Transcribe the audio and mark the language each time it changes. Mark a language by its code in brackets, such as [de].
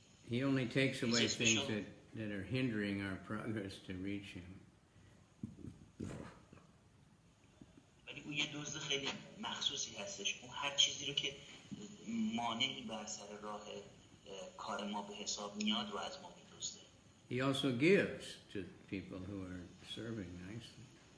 [en] He only takes away things that are hindering our progress to reach him. [fa] ولی او یه دوست خیلی مخصوصی هستش. او هر چیزی رو که مانعی بر سر راه کار ما به حساب میاد و از ما [en] He also gives to people who are serving nicely.